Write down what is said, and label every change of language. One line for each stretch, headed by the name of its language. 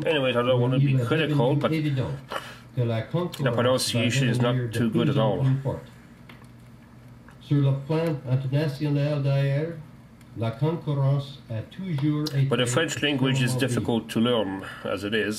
English: anyway, I don't want to be critical, but the pronunciation is not too good at all.
French: Sur le plan international d'ailleurs, la concurrence a toujours été.
English: But the French language is difficult to learn, as it is.